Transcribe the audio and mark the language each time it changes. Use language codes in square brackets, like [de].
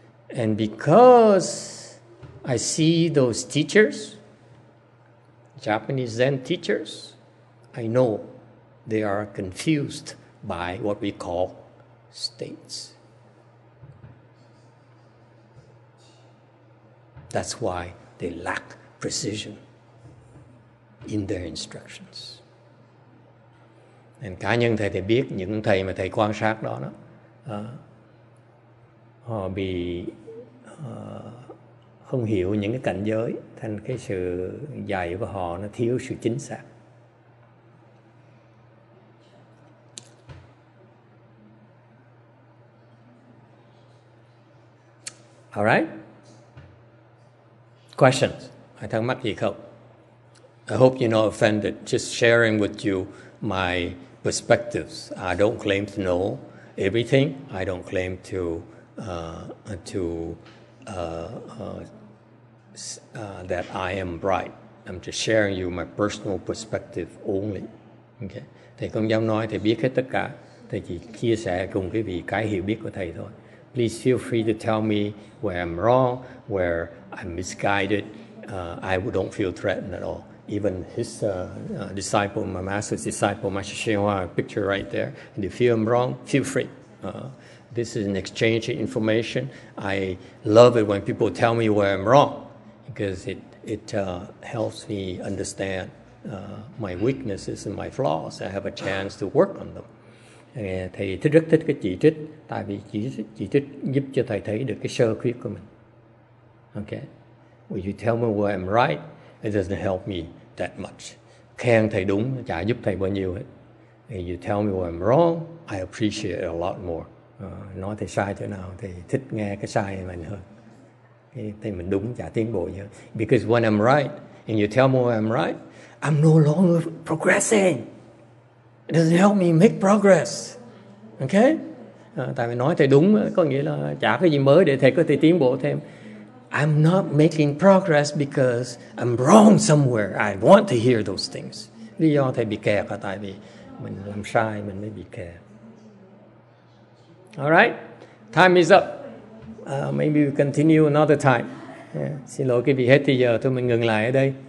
[en] And because I see those teachers, Japanese Zen teachers, I know they are confused by what we call states. That's why they lack precision in their instructions. [vi] Nên cá nhân thầy biết những thầy mà thầy quan sát đó, họ bị không hiểu những cái cảnh giới, thành cái sự dạy của họ nó thiếu sự chính xác. [en] All right. Questions? [vi] Hay thắc mắc gì không? [en] I hope you're not offended. Just sharing with you my perspectives. I don't claim to know everything. I don't claim that I am right. I'm just sharing you my personal perspective only. Okay. [vi] Thầy không dám nói thầy biết hết tất cả. Thầy chỉ chia sẻ cùng quý vị cái hiểu biết của thầy thôi. [en] Please feel free to tell me where I'm wrong, where I'm misguided. I don't feel threatened at all. Even his disciple, my master's disciple, Master Xinhua, picture right there. And if I'm wrong, feel free. This is an exchange of information. I love it when people tell me where I'm wrong because it helps me understand my weaknesses and my flaws. I have a chance to work on them. [vi] Thầy rất thích cái chỉ trích, tại vì chỉ trích giúp cho thầy thấy được cái sơ khuyết của mình. [en] Okay. Will you tell me where I'm right? It doesn't help me that much. [vi] Khen thầy đúng chả giúp thầy bao nhiêu hết. [en] If you tell me where I'm wrong, I appreciate it a lot more. [vi] Nói thầy sai chỗ nào thì thích nghe cái sai mình hơn. Thầy mình đúng chả tiến bộ nhiều. [en] Because when I'm right and you tell me where I'm right, I'm no longer progressing. It doesn't help me make progress. Okay? [vi] Tại vì nói thầy đúng có nghĩa là chả cái gì mới để thầy có thể tiến bộ thêm. [en] I'm not making progress because I'm wrong somewhere. I want to hear those things. [vi] Lý do thầy bị kẹt là tại vì mình làm sai, mình mới bị kẹt. [en] All right, time is up. Maybe we continue another time. [vi] Xin lỗi, cái bị hết thì giờ thôi, mình ngừng lại ở đây.